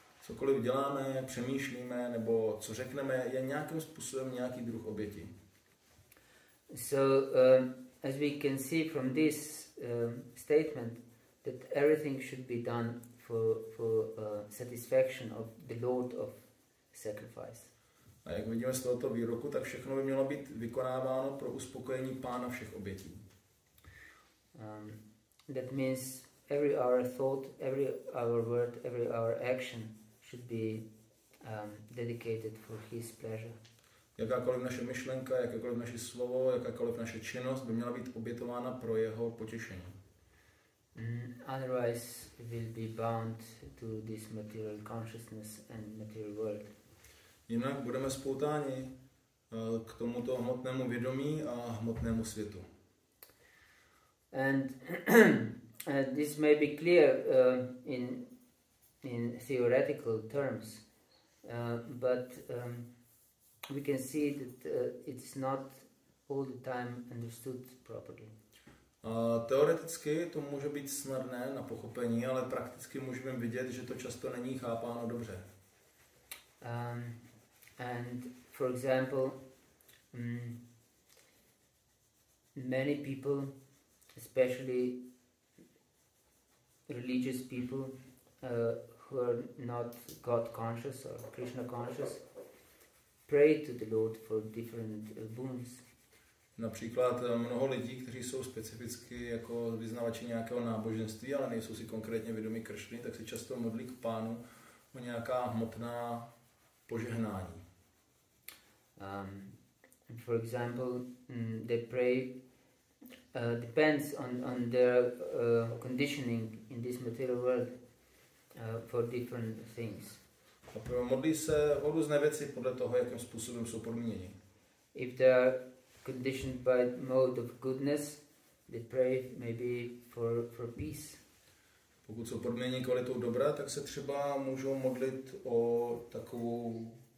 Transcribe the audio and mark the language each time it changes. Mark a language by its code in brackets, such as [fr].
[cs] Cokoliv děláme, přemýšlíme, nebo co řekneme, je nějakým způsobem nějaký druh oběti. [en] So, as we can see from this statement, that everything should be done for satisfaction of the Lord of sacrifice. [cs] A jak vidíme z tohoto výroku, tak všechno by mělo být vykonáváno pro uspokojení pána všech obětí. [en] That means every our thought, every our word, every our action should be dedicated for his pleasure. [cs] Jakákoliv naše myšlenka, jakákoliv naše slovo, jakákoliv naše činnost by měla být obětována pro jeho potěšení. [en] Otherwise we'll be bound to this material consciousness and material world. [cs] Jinak budeme spoutáni k tomuto hmotnému vědomí a hmotnému světu. [en] And this may be clear in theoretical terms, but we can see that it's not all the time understood properly. [cs] Teoreticky to může být snadné na pochopení, ale prakticky můžeme vidět, že to často není chápáno dobře. [en] And for example, many people, especially religious people, who are not God conscious or Krishna conscious, pray to the Lord for different boons. [cs] Například mnoho lidí, kteří jsou specificky jako vyznavači nějakého náboženství, ale nejsou si konkrétně vědomi Kršny, tak se často modlí k pánu o nějaká hmotná požehnání. [en] For example, they pray depends on their conditioning in this material world for different things. [cs] A modlí se o různé věci podle toho, jakým způsobem jsou podmíněni. [en] If they are conditioned by mode of goodness, they pray maybe for peace. [cs] Pokud jsou podmíněni kvalitou dobra, tak se třeba můžou modlit o takovou